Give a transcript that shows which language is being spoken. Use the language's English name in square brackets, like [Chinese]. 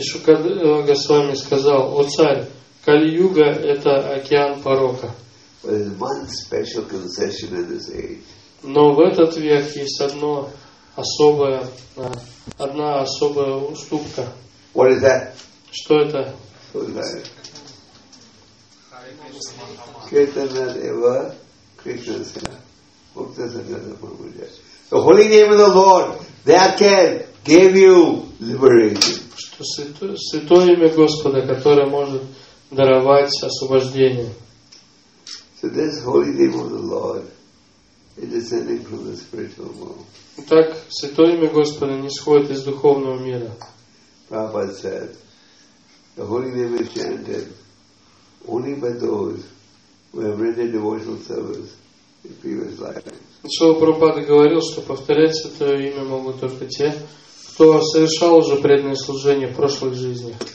[Russian] Шукадева Госвами сказал, о царь, Кали-юга это океан порока. Но в этот век есть одна особая уступка. [English] What is that? [Russian] Что это? [English] The holy name of the Lord that can give you liberation. [Russian] Что святое имя Господа, которое может даровать освобождение. [English] So this holy name of the Lord is descending from the spiritual world. [Russian] Так святое имя Господа нисходит из духовного мира. [English] Prabhupada said, the holy name is chanted only by those who have rendered devotional service in previous lives. [Russian] Шрила Прабхупада говорил, что повторять святое имя могут только те, кто что совершал уже преданное служение в прошлых жизнях.